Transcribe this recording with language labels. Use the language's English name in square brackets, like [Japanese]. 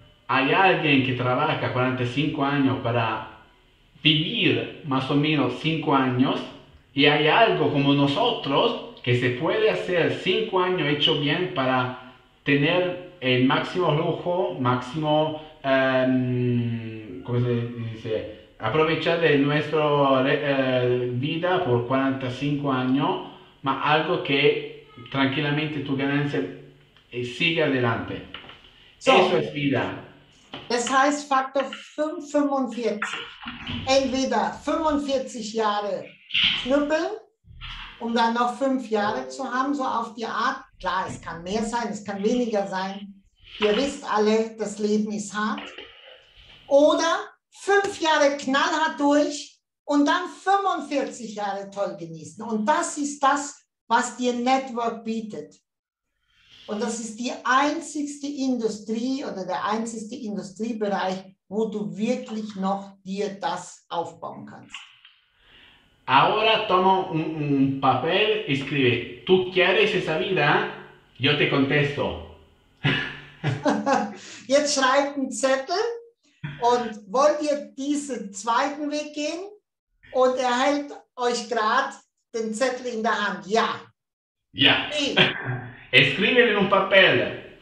[Spanish] Hay alguien que trabaja 45 años para vivir más o menos 5 años y hay algo como nosotros que se puede hacer 5 años hecho bien para tener el máximo lujo, máximo, ¿cómo se dice? Aprovechar de nuestra vida por 45 años, más algo que tranquilamente tu ganancia sigue adelante. So. Eso es vida. [German] Das heißt Faktor 5, 45. Entweder 45 Jahre knüppeln, um dann noch 5 Jahre zu haben, so auf die Art. Klar, es kann mehr sein, es kann weniger sein. Ihr wisst alle, das Leben ist hart. Oder 5 Jahre knallhart durch und dann 45 Jahre toll genießen. Und das ist das, was dir Network bietet. Und das ist die einzigste Industrie oder der einzigste Industriebereich, wo du wirklich noch dir das aufbauen kannst. [Spanish] Ahora toma un papel y escribe, ¿tú quieres esa vida? Yo te contesto. [German] Jetzt schreibt ein Zettel und wollt ihr diesen zweiten Weg gehen? Und er hält euch gerade den Zettel in der Hand. Ja. Ja. [Spanish] Escribe en un papel.